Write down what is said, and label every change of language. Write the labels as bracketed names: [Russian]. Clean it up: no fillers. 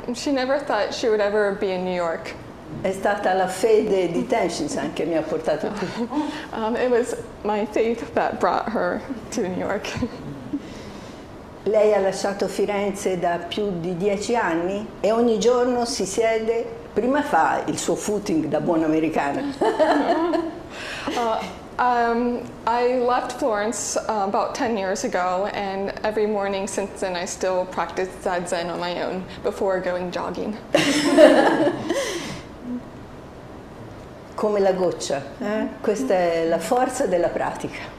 [English] She never thought she would ever be in New York. [Italian] È stata la fede di Tenshinsan che mi ha portato qui. [English] It was my faith that brought her to New York. [Italian] Lei ha lasciato Firenze da più di 10 anni e ogni giorno si siede, prima fa il suo footing da buona americana. [English] I left Florence about 10 years ago, and every morning since then I still practice Zazen on my own before going jogging. [Italian] Come la goccia, eh? Questa è la forza della pratica.